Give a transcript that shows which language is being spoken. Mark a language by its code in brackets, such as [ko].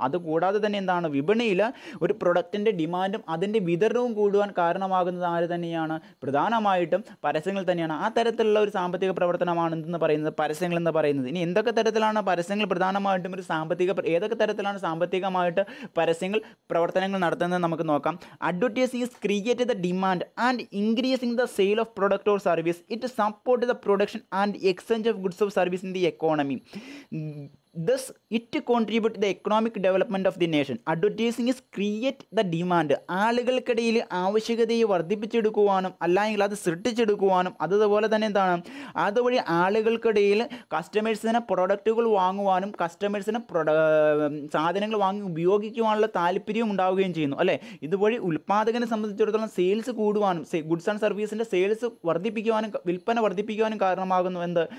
[ml] അതുകൂടാതെ തന്നെ എന്താണ് വിപണിയിൽ ഒരു പ്രൊഡക്റ്റിൻ്റെ ഡിമാൻഡും അതിൻ്റെ വിതരണവും കൂടുവാൻ കാരണമാകുന്നത് ആര് തന്നെയാണ്, പ്രധാനമായിട്ടും പരസ്യങ്ങൾ തന്നെയാണ്. ആ തരത്തിലുള്ള ഒരു സാമ്പത്തിക പ്രവർത്തനമാണ് എന്തെന്ന് പറയുന്നത് പരസ്യങ്ങൾ എന്ന് പറയുന്നത്. ഇനി എന്തൊക്കെ തരത്തിലാണ് പരസ്യങ്ങൾ പ്രധാനമായിട്ടും ഏതൊക്കെ തരത്തിലാണ് സാമ്പത്തികമായിട്ട് പരസ്യങ്ങൾ പ്രവർത്തനങ്ങൾ നടത്തുന്നത് നമുക്ക് നോക്കാം. [en] Advertising is creating the demand and increasing the sale of product or service. It supports the production and exchange of goods or service in the economy. Thus, it contributes to the economic development of the nation. Advertising is create the demand. [ml] ആളുകൾക്കിടയിൽ ആവശ്യകതയെ വർദ്ധിപ്പിച്ചെടുക്കുവാനും അല്ലെങ്കിൽ അത് സൃഷ്ടിച്ചെടുക്കുവാനും അതുപോലെ തന്നെ എന്താണ് അതുവഴി ആളുകൾക്കിടയിൽ കസ്റ്റമേഴ്സിനെ പ്രൊഡക്റ്റുകൾ വാങ്ങുവാനും കസ്റ്റമേഴ്സിനെ സാധനങ്ങൾ വാങ്ങി ഉപയോഗിക്കുവാനുള്ള താല്പര്യവും ഉണ്ടാവുകയും ചെയ്യുന്നു അല്ലേ ഇതുവഴി ഉൽപ്പാദകനെ സംബന്ധിച്ചിടത്തോളം സെയിൽസ് കൂടുവാനും ഗുഡ്സ് ആൻഡ് സർവീസിൻ്റെ സെയിൽസ് വർദ്ധിപ്പിക്കുവാനും വിൽപ്പന വർദ്ധിപ്പിക്കുവാനും കാരണമാകുന്നു എന്ത്